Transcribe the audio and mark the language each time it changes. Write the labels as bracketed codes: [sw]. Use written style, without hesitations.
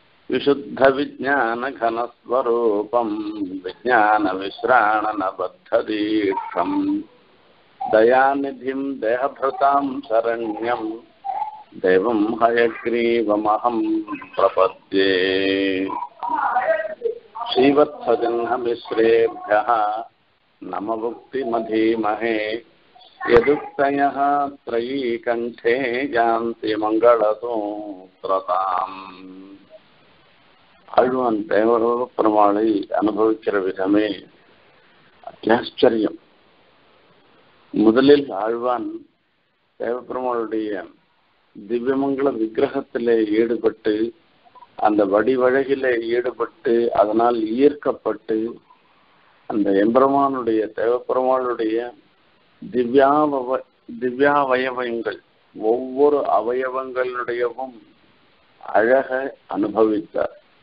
[sa] विशुद्ध विज्ञान घन स्वरूपं विज्ञान विश्राणन बद्ध दीर्घं दयानिधिं देहभृतां शरण्यं देवं हयग्रीवमहं प्रपद्ये। श्रीवत्सजह्नमिश्रेभ्यः नमोक्तिमधीमहे यदुक्तयः त्रयी कंठे जान्ति मंगलसूत्रताम्। [ta] அழுவன் தேவரோ பெருமாளை அனுபவிக்கிற விதமே அத்தியாச்சரியம். முதலில் ஆழ்வான் தேவபெருமாளுடைய திவ்யமங்கள விக்கிரகத்திலே ஈடுபட்டு அந்த வடிவழகிலே ஈடுபட்டு அதனால் ஈர்க்கப்பட்டு அந்த எம்பெருமானுடைய தேவபெருமாளுடைய திவ்யாவயவங்கள் ஒவ்வொரு அவயவங்களுடையவும் அழக அனுபவித்தார்.